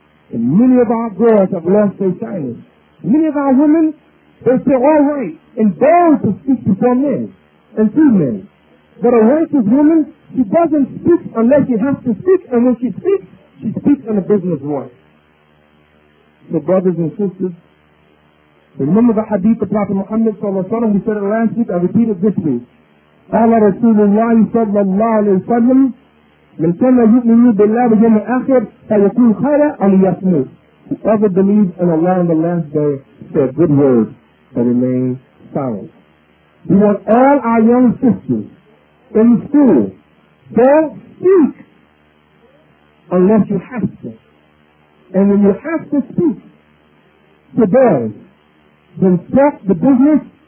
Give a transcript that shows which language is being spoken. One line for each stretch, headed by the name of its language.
English: And many of our girls have lost their shyness. Many of our women, they say, all right, and bold to speak before men and to men. But a righteous woman, she doesn't speak unless she has to speak, and when she speaks in a business voice. So brothers and sisters, remember the hadith of Prophet Muhammad sallallahu alaihi wasallam, he said it last week, I repeat it this week.
Arabic: قال رسول الله صلى الله عليه وسلم من كان يؤمن بالله واليوم الآخر فيكون خيرا أن يصمت.
English: Whoever believes in Allah on the last day, say a good word and remain silent. We want all our young sisters in school, don't speak unless you have to. And when you have to speak to boys, then stop the business.